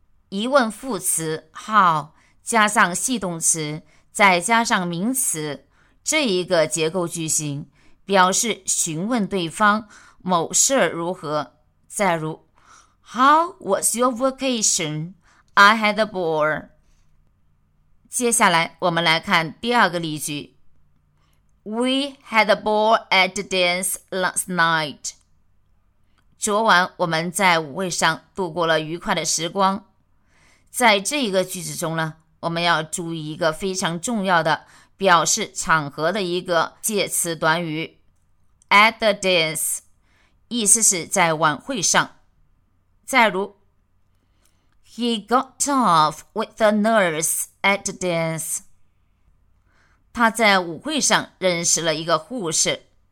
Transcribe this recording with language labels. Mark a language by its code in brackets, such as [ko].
[zh] 疑问副词 how 加上系动词，再加上名词，这一个结构句型表示询问对方某事如何。再如 [en] How was your vacation? I had a ball. [zh] 接下来我们来看第二个例句。 [en] We had a ball at the dance last night. [zh] 昨晚我们在舞会上度过了愉快的时光。在这一个句子中呢，我们要注意一个非常重要的表示场合的一个介词短语 [en] At the dance， [zh] 意思是在晚会上。再如 [en] He got off with the nurse at the dance. [zh] 他在舞会上认识了一个护士。